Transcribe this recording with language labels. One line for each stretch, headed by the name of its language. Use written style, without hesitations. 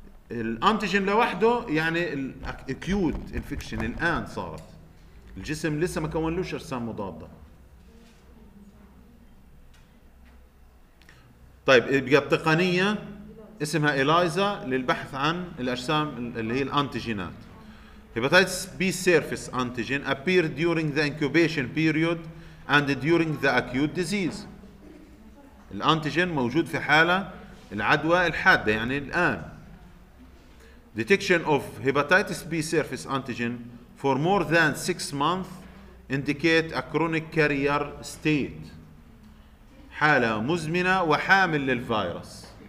Arabic: الانتيجين لوحده يعني الاكيوت انفكشن الان صارت، الجسم لسه ما كونلوش اجسام مضاده. طيب يبقى التقنية اسمها إلايزا للبحث عن الأجسام اللي هي الأنتيجينات.
English: Hepatitis B surface antigen appear during the incubation period and during the acute disease.
Arabic: الأنتيجين موجود في حالة العدوى الحادة يعني الآن.
English: Detection of hepatitis B surface antigen for more than 6 months indicate a chronic carrier state.
Arabic: حالة مزمنة وحامل للفيروس.